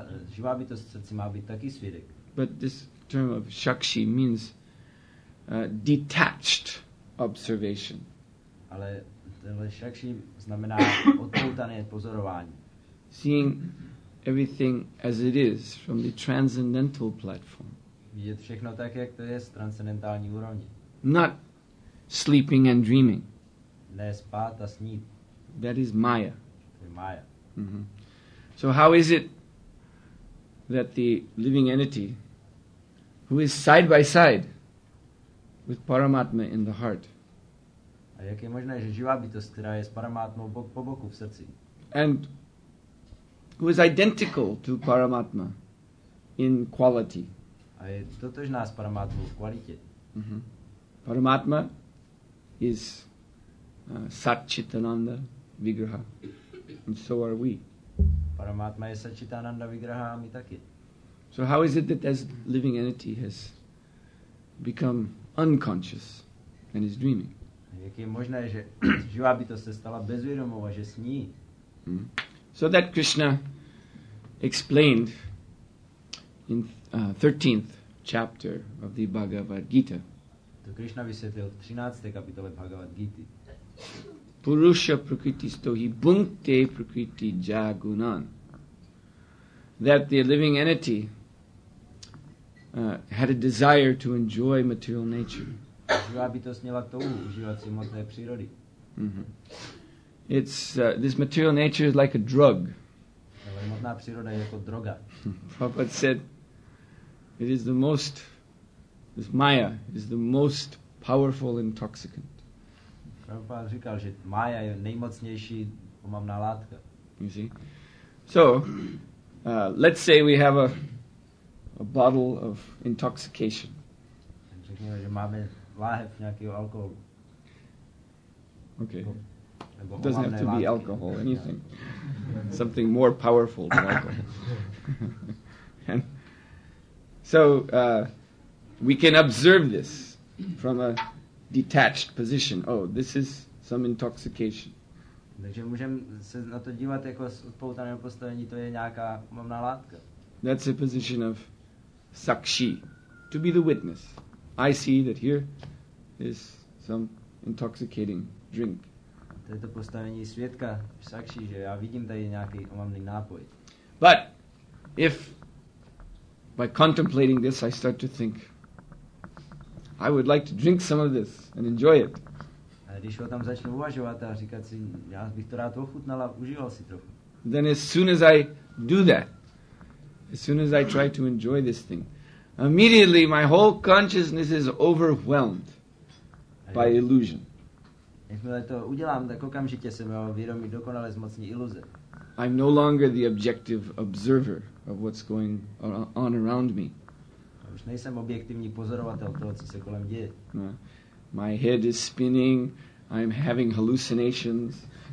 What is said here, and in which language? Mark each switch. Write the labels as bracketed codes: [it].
[cs] Živá bytost v srdci má být taky svědek. [en] But this term of Shakshi means detached observation. [cs] Ale tenhle Shakshi znamená odpoutané pozorování. [en] Seeing everything as it is from the transcendental platform. [cs] Vidět všechno tak, jak to je z transcendentální úrovni. [en] not sleeping and dreaming. [cs] Ne spát a snít. [en] That is Maya. [cs] To je Maya. Mm-hmm. [en] So how is it that the living entity, who is side by side with Paramatma in the heart, [cs] a jak je možné, že živá bytost, která je s Paramatmou bok po boku v srdci, [en] and who is identical to Paramatma in quality, [cs] a je totožná s Paramatmou v kvalitě. Mm-hmm. [en] Paramatma is Satchitananda Vigraha, and so are we. [cs] Paramatma je Satchitananda Vigraha, a my taky. [en] So how is it that this living entity has become unconscious and is dreaming? [cs] Jak je možné, že živá bytost se stala bezvědomou a že sní? Mm-hmm. [en] So that Krishna explained in 13th chapter of the Bhagavad Gita. [cs] To Krishna vysvětlil v 13. kapitole Bhagavad Gita. [sa] Purusha prakriti stohi bunte prakriti jagunan. [en] That the living entity had a desire to enjoy material nature. [cs] Živá bytost měla touhu užívat si hmotné přírody. [en] It's this material nature is like a drug. [cs] Hmotná příroda je jako droga. [en] Prabhupada said, it is the most, this Maya is the most powerful intoxicant. [cs] Prabhupada říkal, že Maya je nejmocnější omamná látka. [en] You see? So, let's say we have a bottle of intoxication. [cs] Řekněme, že máme láhev nějakého alkoholu. [en] Okay. Nebo it doesn't have to be alcohol, anything. Something more powerful than alcohol. And so, we can observe this from a detached position. Oh, this is some intoxication. [cs] Takže můžeme se na to dívat jako z odpoutaného postavení, to je nějaká mamná látka. [en] That's a position of sakshi, to be the witness. I see that here is some intoxicating drink. [cs] To je to postavení svědka, sakshi, že já vidím tady nějaký omamný nápoj. [en] But if by contemplating this I start to think, I would like to drink some of this and enjoy it. [cs] A když ho tam začnu uvažovat a říkat si, já bych to rád ochutnal a užíval si trochu. [en] Then as soon as I do that, as soon as I try to enjoy this thing, immediately my whole consciousness is overwhelmed by illusion. [cs] Jakmile to udělám, tak okamžitě se mého vědomí dokonale zmocní iluze. [en] I'm no longer the objective observer of what's going on around me. [cs] Už nejsem objektivní pozorovatel toho, co se kolem děje. [en] My head is spinning, I'm having hallucinations.